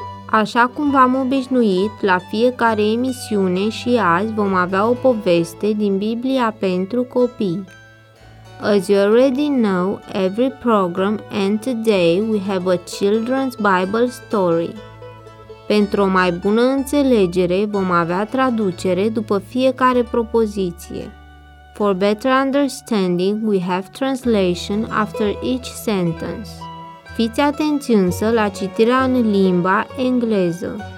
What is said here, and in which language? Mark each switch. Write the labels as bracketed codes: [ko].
[ro] Așa cum v-am obișnuit, la fiecare emisiune și azi vom avea o poveste din Biblia pentru copii. [en] As you already know, every program and today we have a children's Bible story. [ro] Pentru o mai bună înțelegere, vom avea traducere după fiecare propoziție. [en] For better understanding, we have translation after each sentence. [ro] Fiți atenți însă la citirea în limba engleză.